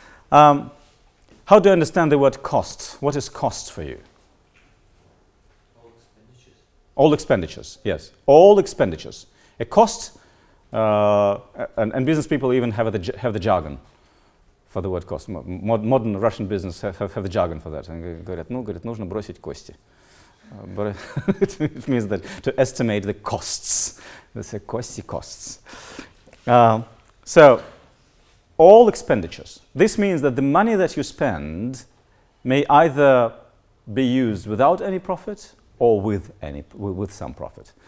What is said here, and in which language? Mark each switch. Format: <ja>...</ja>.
<en>How do you understand the word cost? What is cost for you? All expenditures, yes. All expenditures. A cost, and business people even have the jargon for the word cost. Modern Russian business have the jargon for that.</en> <ru>And говорят, ну, говорят, нужно бросить кости.</ru> <en>But it means that to estimate the costs. They say кости costs. So, all expenditures. This means that the money that you spend may either be used without any profit or with some profit.</en>